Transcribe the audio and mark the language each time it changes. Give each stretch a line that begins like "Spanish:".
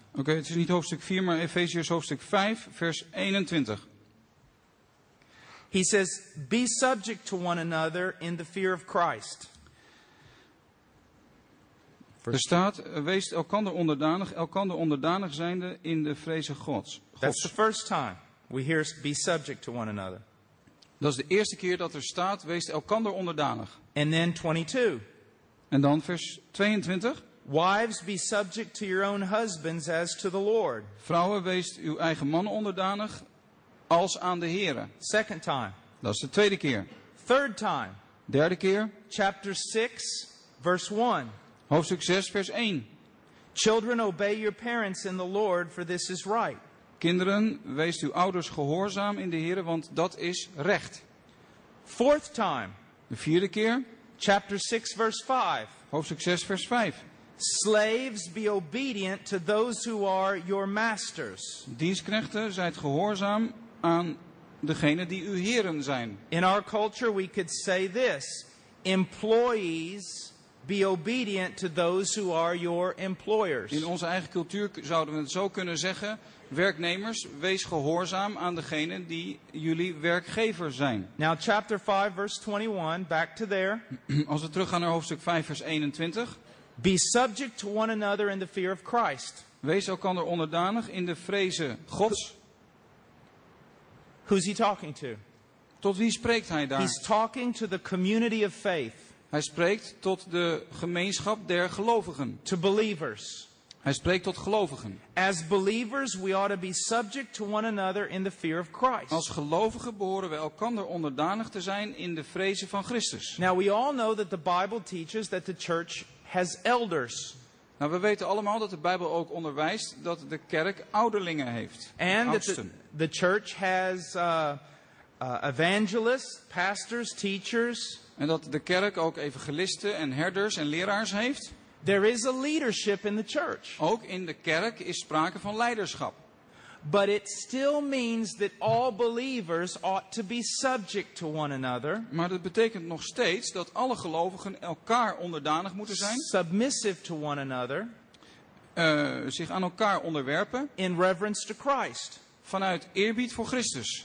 Dutch: Okay, het is niet hoofdstuk 4, maar Efeziërs hoofdstuk 5 vers 21.
English: He says, "Be subject to one another in the fear of Christ."
Dutch: Er staat, wees elkander onderdanig zijnde in de vreze Gods.
English: That's the first time we hear be subject to one another.
Dutch: Dat is de eerste keer dat er staat, wees elkander onderdanig.
English: And then 22.
Dutch: En dan vers 22.
English: Wives, be subject to your own husbands as to the Lord.
Dutch: Vrouwen, wees uw eigen mannen onderdanig als aan de Heren.
English: Second time.
Dutch: Dat is de tweede keer.
English: Third time.
Dutch: Derde keer.
English: Chapter 6, verse 1.
Dutch: Hoofdstuk 6, vers 1.
English: Children, obey your parents in the Lord, for this is right.
Dutch: Kinderen, wees uw ouders gehoorzaam in de Heere, want dat is recht.
English: Fourth time.
Dutch: De vierde keer.
English: Chapter 6, verse 5.
Dutch: Hoofdstuk 6, vers 5.
English: Slaves, be obedient to those who are your masters.
Dutch: Dienstknechten, zijt gehoorzaam aan degenen die uw heren zijn.
English: In our culture we could say this: employees, be obedient to those who are your employers.
Dutch: In onze eigen cultuur zouden we het zo kunnen zeggen: werknemers, wees gehoorzaam aan degenen die jullie werkgever zijn.
English: Now chapter 5 verse 21, back to there.
Dutch: Als we teruggaan naar hoofdstuk 5 vers 21.
English: Be subject to one another in the fear of Christ.
Dutch: Wees elkander onderdanig in de vreze Gods.
English: Who's he talking to?
Dutch: Tot wie spreekt hij daar?
English: He's talking to the community of faith.
Dutch: Hij spreekt tot de gemeenschap der gelovigen.
English: To believers.
Dutch: Hij spreekt tot gelovigen.
English: As believers, we ought to be subject to one another in the fear of Christ.
Dutch: Als gelovigen behoren we elkander onderdanig te zijn in de vreze van Christus.
English: Now we all know that the Bible teaches that the church has elders.
Dutch: Nou, we weten allemaal dat de Bijbel ook onderwijst dat de kerk ouderlingen heeft.
English: And the church has evangelists, pastors, teachers.
Dutch: En dat de kerk ook evangelisten en herders en leraars heeft.
English: There is a leadership in the church.
Dutch: Ook in de kerk is sprake van leiderschap.
English: But it still means that all believers ought to be subject to one another.
Dutch: Maar dat betekent nog steeds dat alle gelovigen elkaar onderdanig moeten zijn.
English: Submissive to one another.
Dutch: Zich aan elkaar onderwerpen.
English: In reverence to Christ.
Dutch: Vanuit eerbied voor Christus.